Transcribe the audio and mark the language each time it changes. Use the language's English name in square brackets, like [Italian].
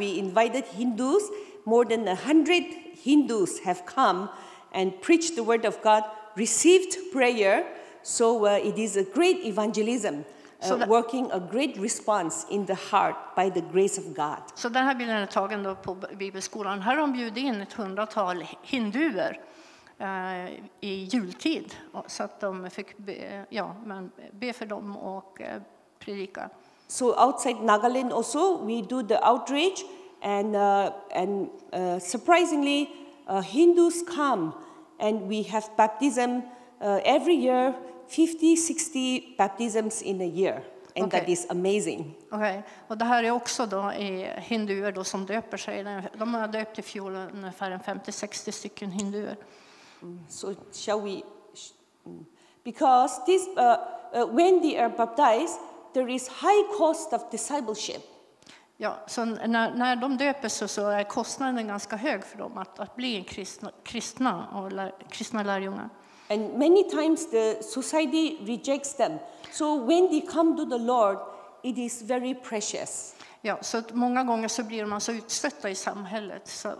[English] We invited Hindus. More than 100 Hindus have come and preached the word of God, received prayer. So it is a great evangelism, working a great response in the heart by the grace of God. [Swedish] Så den här bilden är tagen då på Bibelskolan. Här har de bjudit in ett hundratal hinduer i jultid, så att de fick be för dem och predika. [English] So outside Nagaland also we do the outreach, and surprisingly Hindus come, and we have baptism every year, 50-60 baptisms in a year, and okay, that is amazing. Okay. [Swedish] Och det här är också då hinduer då som döper sig. De har döpt i fjol ungefär 50-60 stycken hinduer. [English] So shall we Because this, when they are baptized, there is high cost of discipleship. [Swedish] Ja, så när de döper sig så är kostnaden ganska hög för dem att bli en kristna och kristna lärjungar. [English] And many times the society rejects them. So when they come to the Lord, it is very precious. [Swedish] Ja, så många gånger så blir man så utstötta i samhället.